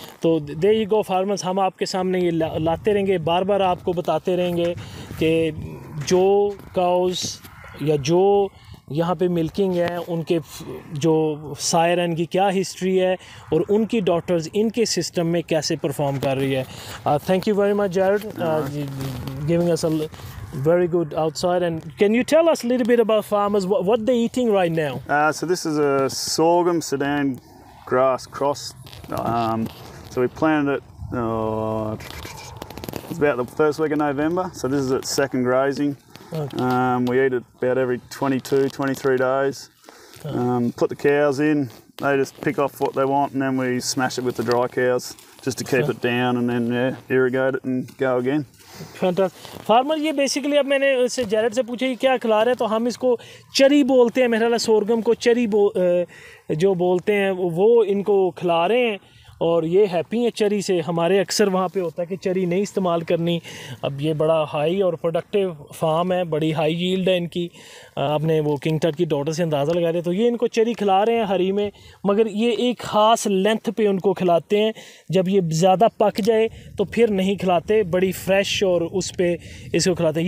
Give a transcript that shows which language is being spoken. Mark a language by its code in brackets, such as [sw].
[ur] تو [en] there you go farmers, [ur] ہم آپ کے سامنے یہ لاتے رہیں گے, بار بار آپ کو بتاتے رہیں گے کہ جو کاؤز یا جو یہاں پہ ملکنگ ہیں ان کے جو سائرن کی کیا ہسٹری ہے اور ان کی ڈاٹرز ان کے سسٹم میں کیسے پرفارم کر رہی ہے. [en] Thank you very much Jared, giving us very good outside. And can you tell us a little bit about farmers, what they're eating right now? So this is a sorghum Sudan grass cross, so we planted it it's about the first week of November, so this is its second grazing. We eat it about every 22-23 days. Put the cows in, they just pick off what they want, and then we smash it with the dry cows just to keep it down, and then irrigate it and go again. [ur] Farmer, یہ basically اب میں نے اس سے Jared سے پوچھا کہ کیا کھلا رہے, تو ہم اس کو چری بولتے ہیں, میرے خیال سورگم کو چری جو بولتے ہیں وہ ان کو کھلا رہے ہیں اور یہ ہیپی ہیں چری سے. ہمارے اکثر وہاں پہ ہوتا ہے کہ چری نہیں استعمال کرنی. اب یہ بڑا ہائی اور پروڈکٹیو فارم ہے, بڑی ہائی ییلڈ ہے ان کی, آپ نے وہ کنگٹٹ کی ڈاٹر سے اندازہ لگا دیا. تو یہ ان کو چری کھلا رہے ہیں ہری میں, مگر یہ ایک خاص لینتھ پہ ان کو کھلاتے ہیں, جب یہ زیادہ پک جائے تو پھر نہیں کھلاتے, بڑی فریش اور اس پہ اس کو کھلاتے ہیں.